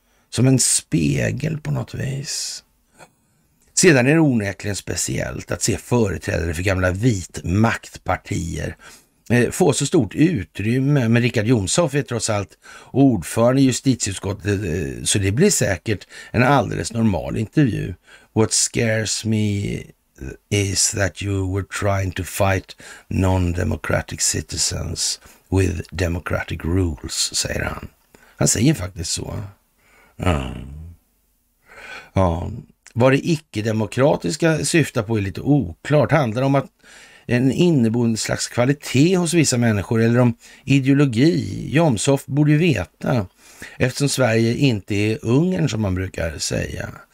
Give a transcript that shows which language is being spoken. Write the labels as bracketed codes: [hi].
[sv] Som en spegel på något vis. Sedan är det onekligen speciellt att se företrädare för gamla vitmaktpartier få så stort utrymme. Men Richard Jomshoff är trots allt ordförande i justitieutskottet, så det blir säkert en alldeles normal intervju. [en] What scares me is that you were trying to fight non-democratic citizens with democratic rules, [sv] säger han. Han säger faktiskt så. Mm. Ja. Vad det icke-demokratiska syftar på är lite oklart. Handlar det om att en inneboende slags kvalitet hos vissa människor eller om ideologi? Jomshoff borde ju veta, eftersom Sverige inte är Ungern som man brukar säga.